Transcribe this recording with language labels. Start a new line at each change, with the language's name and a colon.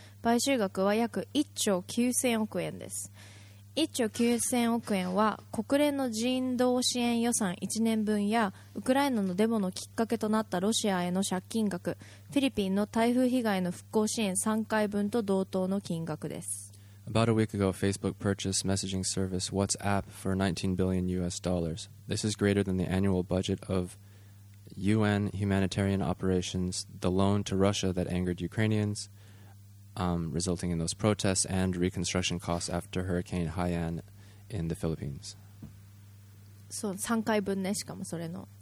Japanese: 買収額は約1兆9千億円です。1兆9千億円は国連の人道支援予算1年分やウクライナのデモのきっかけとなったロシアへの借金額、フィリピンの台風被害の復興支援3回分と同等の金額です。
English: About a week ago, Facebook purchased messaging service WhatsApp for $19 billion. This is greater than the annual budget of UN humanitarian operations, the loan to Russia that angered Ukrainians, resulting in those protests and reconstruction costs after Hurricane Haiyan in the Philippines.
Japanese: So, 3回分ね、しかもそれの。